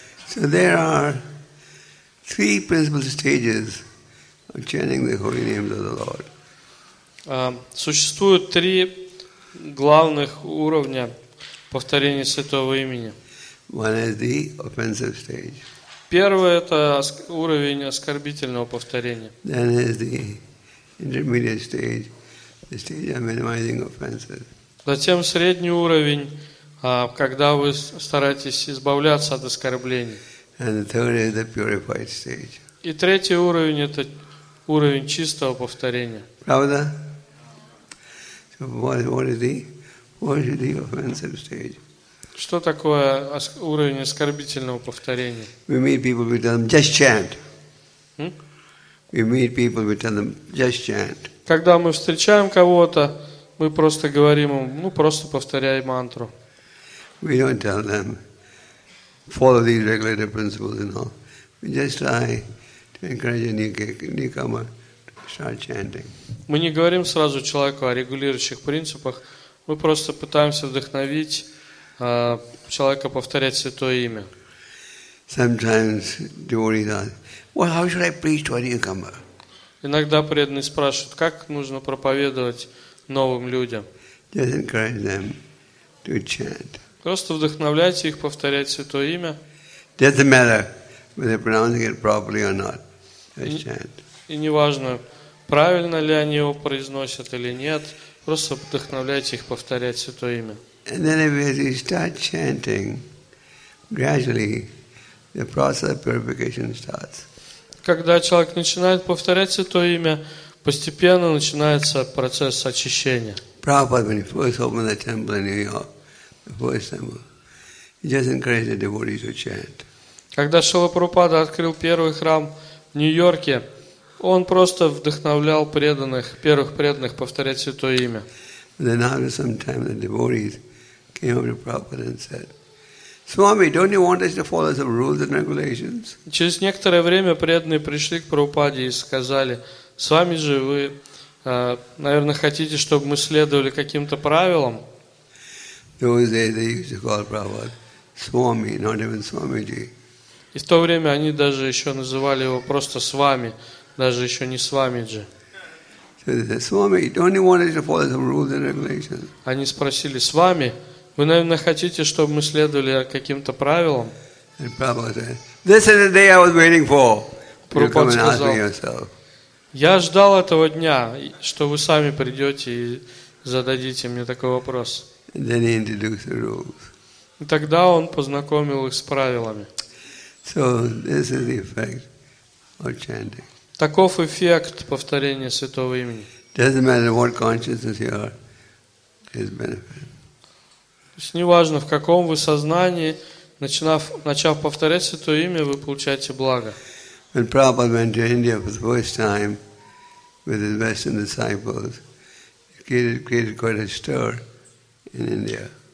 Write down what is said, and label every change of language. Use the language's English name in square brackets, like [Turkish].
[English] So there are three principal stages of chanting the holy names of the Lord. [Russian] Существуют три главных уровня повторения святого имени. [English] One is the offensive stage. [Russian] Первый – это уровень оскорбительного повторения. [English] Then is the intermediate stage, the stage of minimizing offenses. [Russian] Затем средний уровень, когда вы стараетесь избавляться от оскорблений. [English] And the third is the purified stage. [Russian] И третий уровень – это уровень чистого повторения. Правда? [English] What is the What is the offensive stage? [Russian] Что такое уровень оскорбительного повторения? [English] We meet people, we tell them, just chant. We meet people, we tell them, just chant. [Russian] Когда мы встречаем кого-то, мы просто говорим им, ну, просто повторяй мантру. [English] We don't tell them, follow these regulative principles and all. We just try to encourage a newcomer to start chanting. [Russian] Мы не говорим сразу человеку о регулирующих принципах, мы просто пытаемся вдохновить человека повторять святое имя. [English] Sometimes devotees ask, well, how should I preach to a newcomer? [Russian] Иногда преданные спрашивают, как нужно проповедовать новым людям. [English] Just encourage them to chant. [Russian] Просто вдохновляйте их повторять святое имя. [English] Doesn't matter whether they're pronouncing it properly or not. Just chant. [Russian] И неважно, правильно ли они его произносят или нет, просто вдохновляйте их повторять святое имя. [English] And then if you start chanting, gradually the process of purification starts. [Russian] Когда человек начинает повторять святое имя, постепенно начинается процесс очищения. [English] Prabhupada, when he first opened the temple in New York, the first temple, he just encouraged the devotees to chant. [Russian] Когда Шрила Прабхупада открыл первый храм в Нью-Йорке, он просто вдохновлял преданных, первых преданных повторять святое имя. [English] Then after some time, the devotees came up to Prabhupada and said, Swami, don't you want us to follow some rules and regulations? [Russian] Через некоторое время преданные пришли к Прабхупаде и сказали, Свами же, вы, наверное, хотите, чтобы мы следовали каким-то правилам? [English] Those days they used to call Prabhupada Swami, not even Swamiji. [Russian] И в то время они даже еще называли его просто Свами, даже еще не Свамиджи. [English] So they said, Swami, don't you want us to follow some rules and regulations? [Russian] Они спросили, Свами, вы, наверное, хотите, чтобы мы следовали каким-то правилам? [English] And Prabhupada said, this is the day I was waiting for. [Russian] Prabhupada сказал, я ждал этого дня, что вы сами придете и зададите мне такой вопрос. [English] And then he introduced the rules. [Russian] И тогда он познакомил их с правилами. [English] So this is the effect of chanting. [Russian] Таков эффект повторения святого имени. [English] Doesn't matter what consciousness you are, it's benefit. [Russian] То есть неважно, в каком вы сознании, начав повторять святое имя, вы получаете благо. [English] When Prabhupada went to India for the first time with his Western disciples, it created quite a stir in India.